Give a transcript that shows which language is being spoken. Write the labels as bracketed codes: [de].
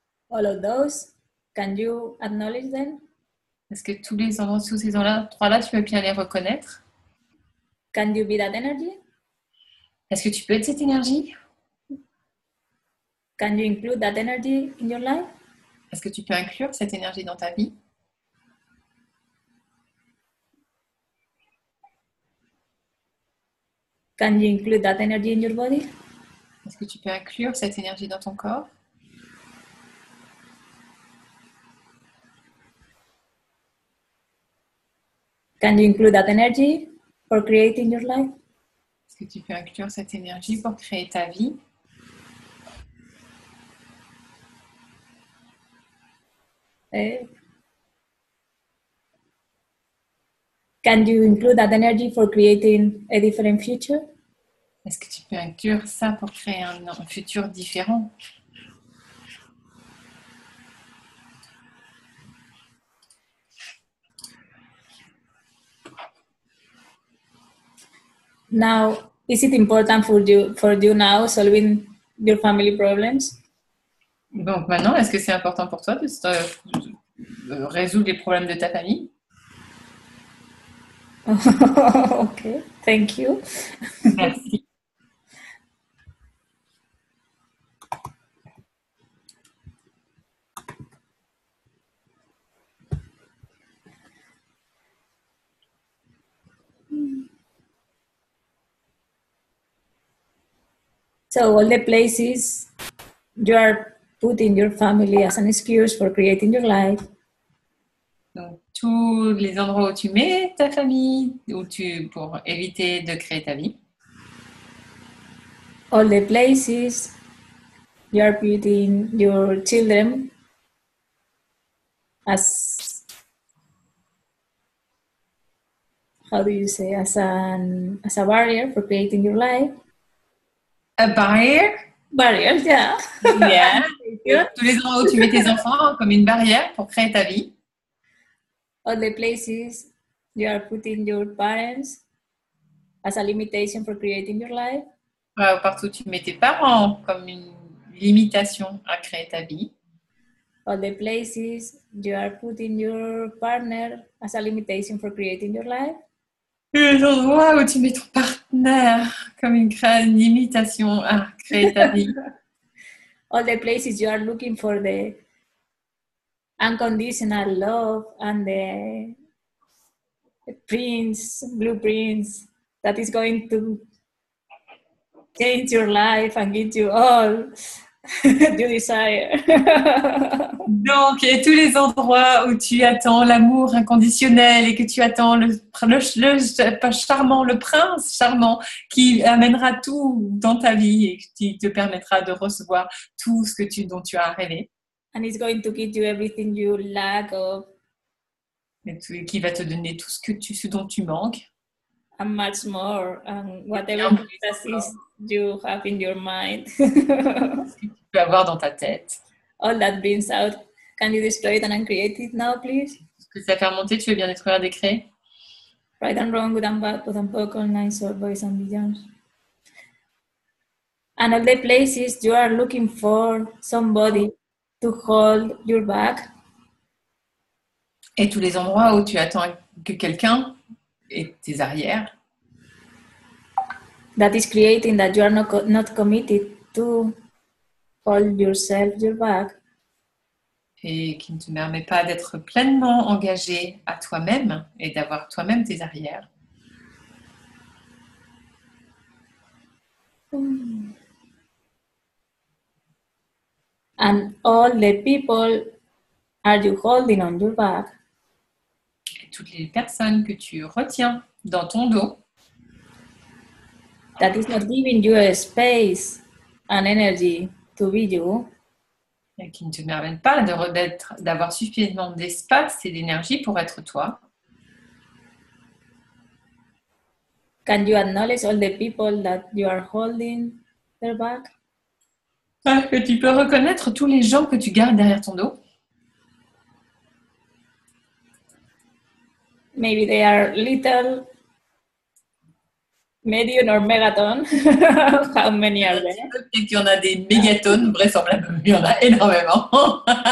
[en] All of those, can you acknowledge them? [fr] Est-ce que tous les endroits sous ces trois-là, tu peux bien les reconnaître? [en] Can you be that energy? [fr] Est-ce que tu peux être cette énergie? [en] Can you include that energy in your life? [fr] Est-ce que tu peux inclure cette énergie dans ta vie? [en] Can you include that energy in your body? [fr] Est-ce que tu peux inclure cette énergie dans ton corps? [en] Can you include that energy for creating your life. [fr] Est-ce que tu peux inclure cette énergie pour créer ta vie? [en] Can you include that energy for creating a different future? [fr] Est-ce que tu peux inclure ça pour créer un futur différent? [en] Now, is it important for you now solving your family problems? [fr] Donc maintenant, est-ce que c'est important pour toi de résoudre les problèmes de ta famille? [en] Okay, thank you. [fr] Merci. [en] So all the places you are putting your family as an excuse for creating your life. [fr] Donc tous les endroits où tu mets ta famille ou tu pour éviter de créer ta vie. [en] All the places you are putting your children as, how do you say, as a barrier for creating your life. A barrier? Barriers, yeah. Yeah. [fr] Tous les endroits où tu mets tes enfants comme une barrière pour créer ta vie. [en] All the places you are putting your parents as a limitation for creating your life. [fr] Ouais, partout où tu mets tes parents comme une limitation à créer ta vie. [en] All the places you are putting your partner as a limitation for creating your life. [fr] Les endroits où tu mets ton partenaire comme une limitation à créer ta vie. [en] All the places you are looking for the unconditional love and the prince, blue prince that is going to change your life and give you all you desire. [fr] Donc, et tous les endroits où tu attends l'amour inconditionnel et que tu attends le prince charmant qui amènera tout dans ta vie et qui te permettra de recevoir tout ce que dont tu as rêvé. [en] And it's going to give you everything you lack of. [fr] Et qui va te donner tout ce dont tu manques. [en] And much more, whatever fantasies you have in your mind. [fr] Ce que tu peux avoir dans ta tête. [en] All that brings out. Can you destroy it and uncreate it now, please? [fr] Est-ce que ça fait remonter, tu veux bien détruire, décréer? [en] Right and wrong, good and bad, but and poke, all nice, all boys and beyond. And all the places you are looking for somebody to hold your back. [fr] Et tous les endroits où tu attends que quelqu'un ait tes arrières. [en] That is creating that you are not committed to hold yourself your back. [fr] Et qui ne te permet pas d'être pleinement engagé à toi-même et d'avoir toi-même tes arrières. [en] And all the people are you holding on your back? [fr] Et toutes les personnes que tu retiens dans ton dos. [en] That is not giving you a space and energy to be you. [fr] Et qui ne te permettent pas d'avoir suffisamment d'espace et d'énergie pour être toi. [en] Can you acknowledge all the people that you are holding their back? [fr] Que tu peux reconnaître tous les gens que tu gardes derrière ton dos? [en] Maybe they are little, medium or megaton. How many are there? [fr] Peut-être qu'il y en a des mégatonnes, vraisemblablement, il y en a énormément.